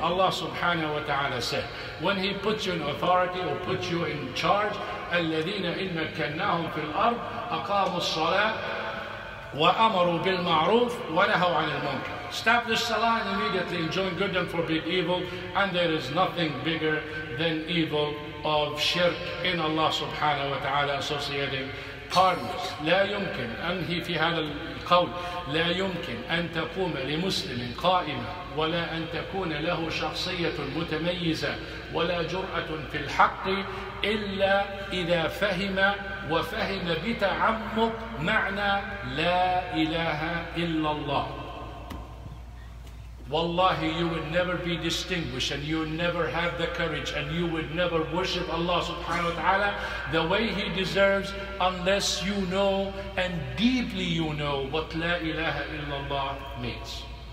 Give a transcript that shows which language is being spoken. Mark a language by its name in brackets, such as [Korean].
[English] Allah subhanahu wa ta'ala said, when He puts you in authority or puts you in charge, [Arabic] الَّذِينَ إِن مَكَّنَّاهُمْ فِي الْأَرْضِ أَقَامُوا الصَّلَاةِ وَأَمَرُوا بِالْمَعْرُوفِ وَنَهَوْا عَنِ الْمُنكَرِ. [English] Establish salah and immediately enjoin good and forbid evil, and there is nothing bigger than evil of shirk in Allah subhanahu wa ta'ala associating partners. [Arabic] لا يمكن أن هي في هذا القول لا يمكن أن تقوم لمسلم قائمة ولا أن تكون له شخصية متميزة ولا جرأة في الحق إلا إذا فهم وفهم بتعمق معنى لا إله إلا الله. [English] Wallahi, you would never be distinguished and you would never have the courage and you would never worship Allah subhanahu wa ta'ala the way He deserves unless you know and deeply you know what La ilaha illallah means.